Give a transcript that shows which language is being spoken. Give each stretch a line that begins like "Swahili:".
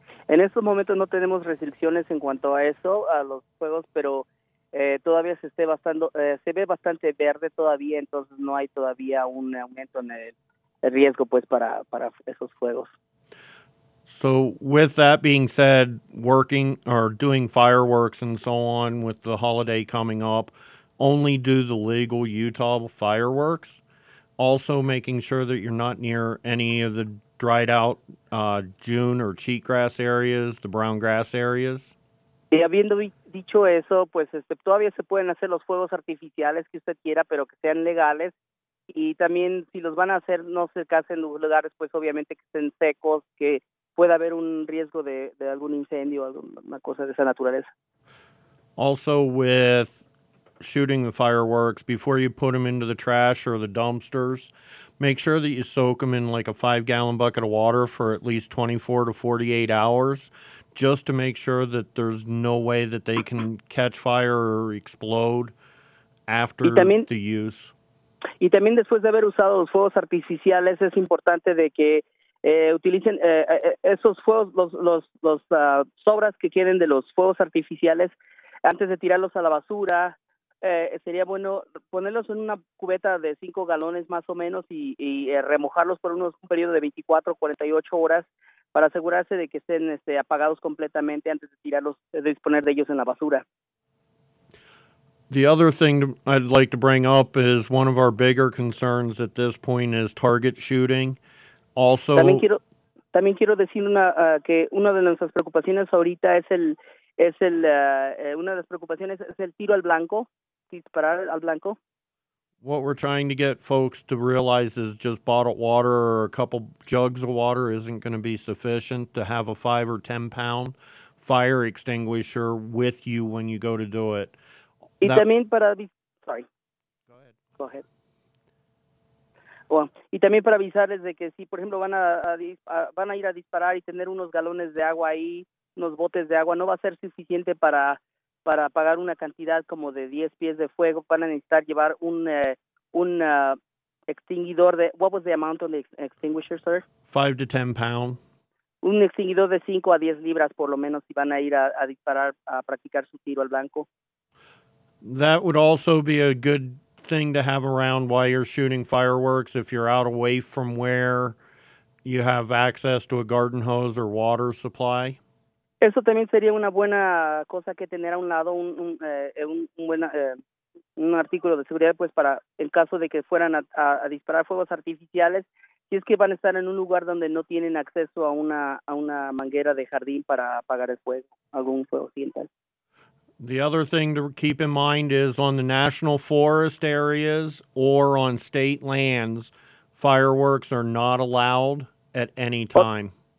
Spanish: En estos momentos no tenemos restricciones en cuanto a eso, a los fuegos, pero todavía se ve bastante verde todavía, entonces no hay todavía un aumento en el riesgo pues para esos fuegos.
English: So with that being said, working or doing fireworks and so on with the holiday coming up, only do the legal Utah fireworks. Also making sure that you're not near any of the dried out June or cheatgrass areas, the brown grass areas.
Spanish: Y habiendo dicho eso, pues todavía se pueden hacer los fuegos artificiales que usted quiera, pero que sean legales. Y también si los van a hacer, no se casen en lugares, pues obviamente que estén secos, que pueda haber un riesgo de algún incendio, alguna cosa de esa naturaleza.
English: Also with shooting the fireworks, before you put them into the trash or the dumpsters, make sure that you soak them in like a 5-gallon bucket of water for at least 24 to 48 hours, just to make sure that there's no way that they can catch fire or explode after the use.
Spanish: Y también después de haber usado los fuegos artificiales, es importante de que utilicen esos fuegos, los sobras que queden de los fuegos artificiales, antes de tirarlos a la basura. Sería bueno ponerlos en una cubeta de 5 galones más o menos y remojarlos por un periodo de 24, 48 horas para asegurarse de que estén apagados completamente antes de tirarlos, de disponer de ellos en la basura.
English: The other thing I'd like to bring up is one of our bigger concerns at this point is target shooting. Also,
Spanish: también quiero decir que una de nuestras preocupaciones ahorita una de las preocupaciones es el tiro al blanco. Disparar al blanco.
English: What we're trying to get folks to realize is just bottled water or a couple jugs of water isn't going to be sufficient to have a 5 or 10 pound fire extinguisher with you when you go to do it.
Spanish: Y también para...
English: Sorry. Go ahead. Go ahead.
Spanish: Y también para avisarles de que si, por ejemplo, van a ir a disparar y tener unos galones de agua ahí, unos botes de agua, no va a ser suficiente para apagar una cantidad como de 10 pies de fuego. Van a necesitar llevar un extinguidor de...
English: What was the amount on the extinguisher, sir? 5 to 10 pounds.
Spanish: Un extinguidor de 5 a 10 libras, por lo menos, si van a ir a disparar, a practicar su tiro al blanco.
English: That would also be a good thing to have around while you're shooting fireworks. If you're out away from where you have access to a garden hose or water supply.
Spanish: Eso también sería una buena cosa que tener a un lado, un artículo de seguridad, pues para en caso de que fueran a disparar fuegos artificiales, si es que van a estar en un lugar donde no tienen acceso a una manguera de jardín para apagar el fuego, algún fuego ambiental.
English: The other thing to keep in mind is on the national forest areas or on state lands, fireworks are not allowed at any time.